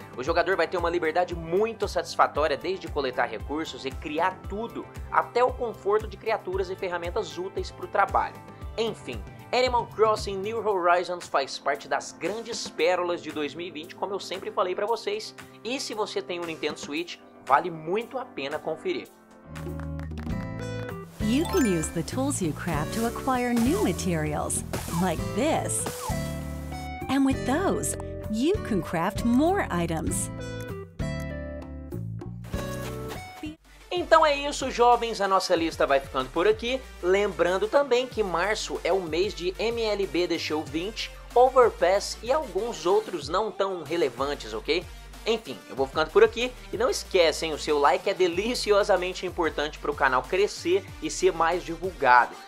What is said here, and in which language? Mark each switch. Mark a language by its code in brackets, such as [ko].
[pt] O jogador vai ter uma liberdade muito satisfatória desde coletar recursos e criar tudo, até o conforto de criaturas e ferramentas úteis para o trabalho. Enfim, Animal Crossing New Horizons faz parte das grandes pérolas de 2020, como eu sempre falei para vocês, e se você tem um Nintendo Switch, vale muito a pena conferir. [en] You can use the tools you craft to acquire new materials, like this. And with those, you can craft more items. [pt] Então é isso, jovens, a nossa lista vai ficando por aqui. Lembrando também que março é o mês de MLB The Show 20, Overpass e alguns outros não tão relevantes, ok? Enfim, eu vou ficando por aqui e não esquecem, o seu like é deliciosamente importante para o canal crescer e ser mais divulgado.